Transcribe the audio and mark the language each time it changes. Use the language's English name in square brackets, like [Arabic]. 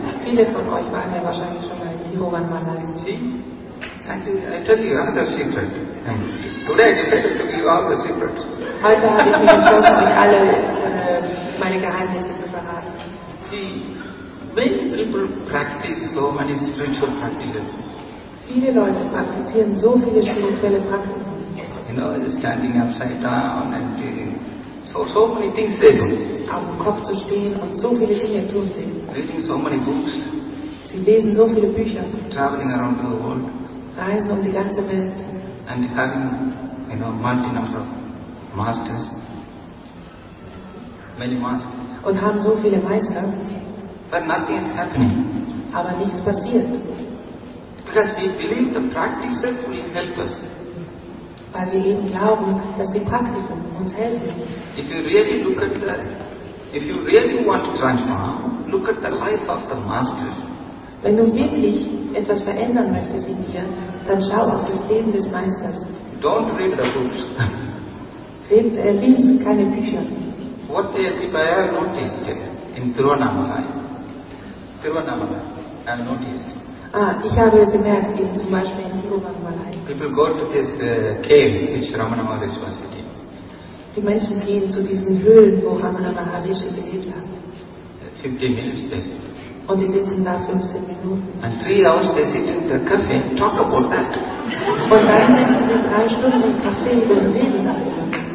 [German] Viele von euch waren ja wahrscheinlich schon mal in Tiruvannamalai. [English] See? I tell you another secret. Today I decided to give you all the secrets. [German] Heute habe ich mich entschlossen, euch alle meine Geheimnisse zu verraten. [English] See, many people practice so many spiritual practices. [German] Viele Leute praktizieren so viele spirituelle Praktiken. [English] You know, standing upside down and so many things they do. [German] Auf dem Kopf zu stehen und so viele Dinge tun sie. [English] Reading so many books. [German] Sie lesen so viele Bücher. [English] Traveling around the world. [German] Reisen um die ganze Welt. [English] And having, you know, multi number of masters. Many masters. [German] Und haben so viele Meister. [English] But nothing is happening. [German] Aber nichts passiert. [English] Because we believe the practices will help us. [German] Weil wir eben glauben, dass die Praktiken uns helfen. [English] If you really look at the, if you really want to transform, look at the life of the masters. [German] Wenn du wirklich etwas verändern möchtest in dir, dann schau auf das Leben des Meisters. [English] Don't read the books. [German] Lies keine Bücher. [English] What they have, if I have noticed in Tiruvannamalai. Tiruvannamalai, I have noticed. [German] Ah, ich habe bemerkt, eben zum Beispiel in Tiruvannamalai. [English] People go to this cave, which Ramana Maharishi was sitting. [German] Die Menschen gehen zu diesen Höhlen, wo Ramana Maharishi gelebt hat. [English] 15 minutes they sit. [German] Und sie sitzen da 15 Minuten. [English] And 3 hours they sit in the cafe, talk about that. [German] Und dann sitzen sie 3 Stunden im Café und reden darüber.